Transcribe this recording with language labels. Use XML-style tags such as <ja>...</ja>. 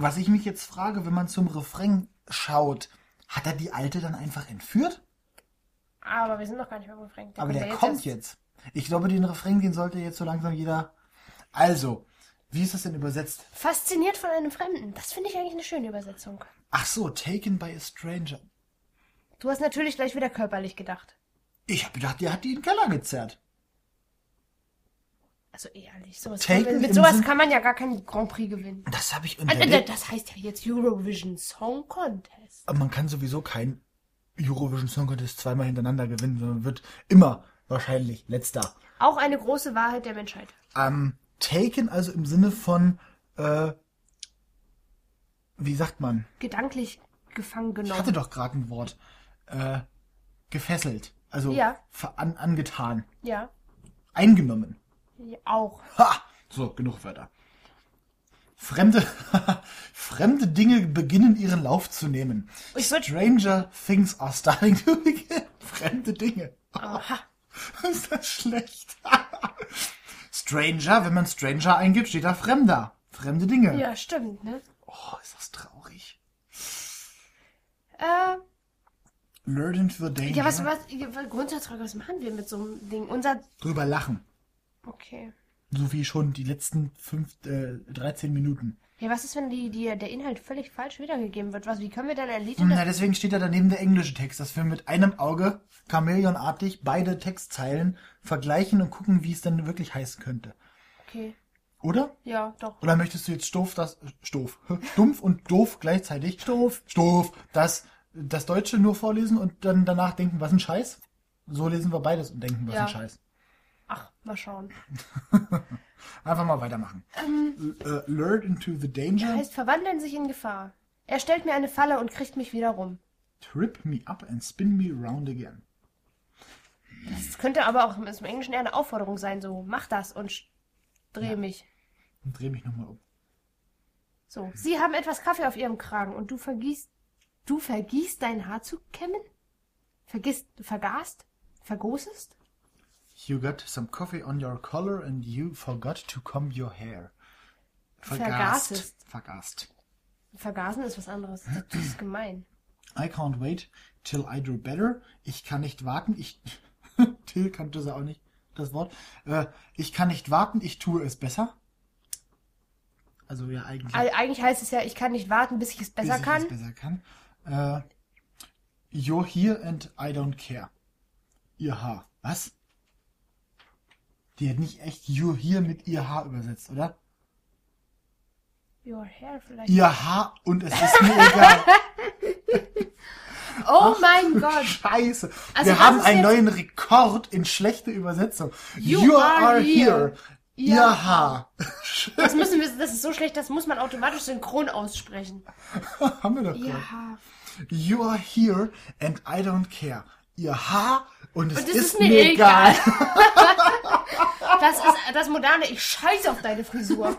<de>Was ich mich jetzt frage, wenn man zum Refrain schaut, hat er die Alte dann einfach entführt? Aber wir sind noch gar nicht beim Refrain. Der kommt jetzt. Ich glaube, den Refrain, den sollte jetzt so langsam jeder... Also, wie ist das denn übersetzt? Fasziniert von einem Fremden. Das finde ich eigentlich eine schöne Übersetzung. Ach so,</de> <en>taken by a stranger.</en> <de>Du hast natürlich gleich wieder körperlich gedacht. Ich habe gedacht, der hat die in den Keller gezerrt. Also ehrlich, sowas mit sowas kann man ja gar keinen Grand Prix gewinnen. Das habe ich Das heißt ja jetzt Eurovision Song Contest. Aber man kann sowieso kein Eurovision Song Contest zweimal hintereinander gewinnen, sondern wird immer... Wahrscheinlich, letzter. Auch eine große Wahrheit der Menschheit. Taken, also im Sinne von, wie sagt man? Gedanklich gefangen genommen. Ich hatte doch gerade ein Wort. Gefesselt. Also ja. Angetan. Ja. Eingenommen. Ja, auch. Ha! So, genug Wörter. Fremde Dinge beginnen ihren Lauf zu nehmen.</de> <en>Stranger things are starting to begin.</en> <de>Fremde Dinge. Aha. Ist das schlecht? Stranger, wenn man Stranger eingibt, steht da Fremder. Fremde Dinge. Ja, stimmt, ne? Oh, ist das traurig.</de> <en>Learn into the danger.</en> <de>Ja, was Grundsatzfrage, was machen wir mit so einem Ding? Unser. Drüber lachen. Okay. So wie schon die letzten 13 Minuten. Ja, was ist, wenn der Inhalt völlig falsch wiedergegeben wird? Wie können wir dann erledigen? Na, deswegen steht da daneben der englische Text, dass wir mit einem Auge chamäleonartig beide Textzeilen vergleichen und gucken, wie es dann wirklich heißen könnte. Okay. Oder? Ja, doch. Oder möchtest du jetzt stumpf und doof gleichzeitig? Stumpf. Das Deutsche nur vorlesen und dann danach denken, was ein Scheiß? So lesen wir beides und denken, was ein Scheiß. Ach, mal schauen. Einfach mal weitermachen.</de> <en>Lured into the danger.</en> <de>Das heißt, verwandeln sich in Gefahr. Er stellt mir eine Falle und kriegt mich wieder rum.</de> <en>Trip me up and spin me round again.</en> <de>Das könnte aber auch im Englischen eher eine Aufforderung sein. So, mach das und dreh mich. Und dreh mich nochmal um. So, sie haben etwas Kaffee auf ihrem Kragen und du vergießt dein Haar zu kämmen? Vergoßest?</de> <en>You got some coffee on your collar and you forgot to comb your hair.</en> <de>Vergaßt. Vergasen ist was anderes. Das ist gemein.</de> <en>I can't wait till I do better.</en> <de>Ich kann nicht warten. Till kannte sie auch nicht, das Wort. Ich kann nicht warten, ich tue es besser. Also ja, eigentlich. Eigentlich heißt es ja, ich kann nicht warten, bis ich es besser bis kann. Bis ich es besser kann.</de> <en>You're here and I don't care.</en> <de>Ihr Haar. Was? Die hat nicht echt</de> <en>you're here</en> <de>mit ihr Haar übersetzt, oder?</de> <en>Your hair vielleicht.</en> <de>Ihr Haar und es ist mir egal. Oh mein Gott. Scheiße. Also wir haben einen neuen Rekord in schlechte Übersetzung.</de> <en>You are here.</en> <de>Ihr Haar. Das ist so schlecht, das muss man automatisch synchron aussprechen. Haben wir doch gehört. Ihr Haar.</de> <en>You are here and I don't care.</en> <de>Ihr Haar und es und ist mir egal. Das ist das moderne, ich scheiße auf deine Frisur.</de>